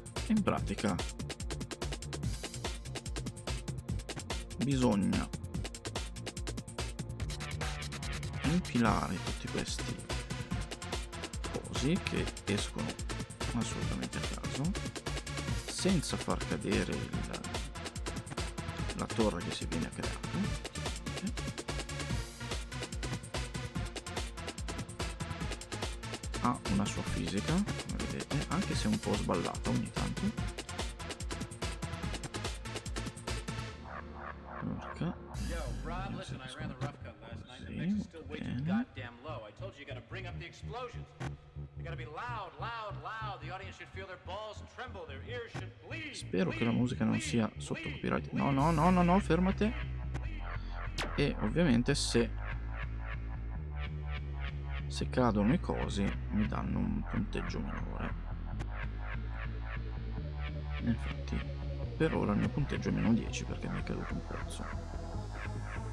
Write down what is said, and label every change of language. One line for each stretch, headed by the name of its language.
Italian: In pratica bisogna impilare tutti questi cosi che escono assolutamente a caso, senza far cadere la torre che si viene a creare. Ha una sua fisica, come vedete, anche se un po' sballata ogni tanto. Porca.
English: Yo, Rob, listen, I ran the rough cut last night. The mix is still way too goddamn low. I told you gotta bring up the explosions. They gotta be loud, loud, loud. The audience should feel their balls tremble, their ears should bleed.
Italian: Spero che la musica non sia sotto copyright. No, no, no, no, no, fermate. E ovviamente se cadono i cosi mi danno un punteggio minore. Infatti per ora il mio punteggio è meno 10 perché mi è caduto un pezzo.